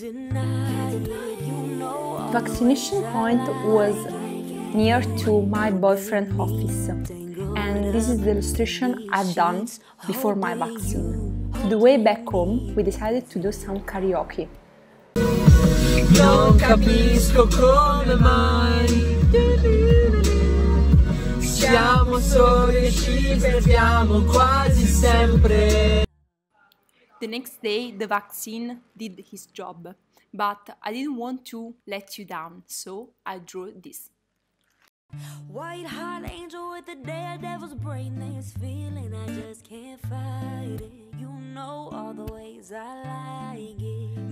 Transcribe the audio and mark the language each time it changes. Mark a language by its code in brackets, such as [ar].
[en] Vaccination point was near to my boyfriend's office, and this is the illustration I've done before my vaccine. On the way back home, we decided to do some karaoke. [it] Non capisco come mai siamo soli ci perdiamo quasi sempre. [en] The next day, the vaccine did his job, but I didn't want to let you down, so I drew this. White heart angel with the daredevil's brain, this feeling I just can't fight it. You know all the ways I like it.